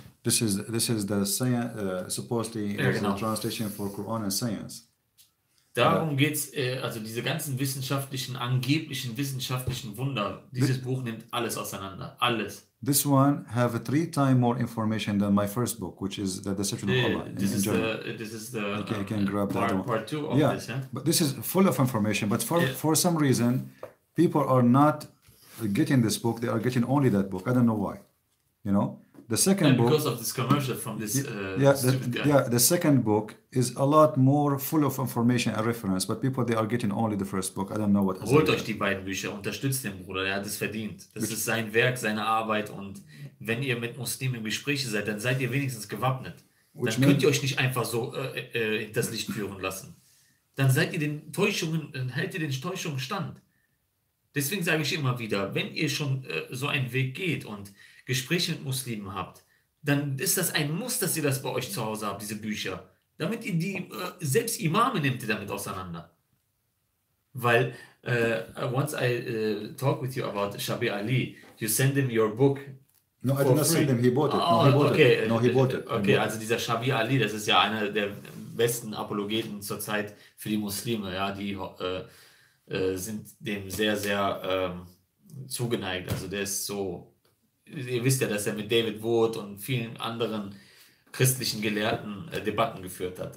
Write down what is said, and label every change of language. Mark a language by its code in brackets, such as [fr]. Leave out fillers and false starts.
[en] This is the supposedly the translation for Quran and science. [de] Darum geht's, also diese ganzen wissenschaftlichen, angeblichen wissenschaftlichen Wunder, dieses Buch nimmt alles auseinander, alles. [en] This one have a 3 times more information than my first book, which is the deception of Allah. This is part two of this. Yeah? But this is full of information, but for some reason, people are not getting this book, they are getting only that book. I don't know why, you know? The second and book, because of this commercial from this guy. Yeah, the second book is a lot more full of information and reference, but people, they are getting only the first book. I don't know what has happened. [de] Holt euch die beiden Bücher, unterstützt den Bruder, er hat es verdient. Das ist sein Werk, seine Arbeit, und wenn ihr mit Muslimen im Gespräch seid, dann seid ihr wenigstens gewappnet. Dann könnt ihr euch nicht einfach so das Licht führen lassen. Dann seid ihr den Täuschungen, hält ihr den Täuschungen stand. Deswegen sage ich immer wieder, wenn ihr schon so einen Weg geht und Gespräche mit Muslimen habt, dann ist das ein Muss, dass ihr das bei euch zu Hause habt, diese Bücher. Damit ihr die, selbst Imame nehmt ihr damit auseinander. Weil, [en] once I talk with you about Shabi Ali, you send him your book. No, I did not send him, he bought it. No, he bought it. [de] Also dieser Shabi Ali, das ist ja einer der besten Apologeten zurzeit für die Muslime, ja, die sind dem sehr, sehr zugeneigt. Also der ist so. Ihr wisst ja, dass er mit David Wood und vielen anderen christlichen Gelehrten Debatten geführt hat.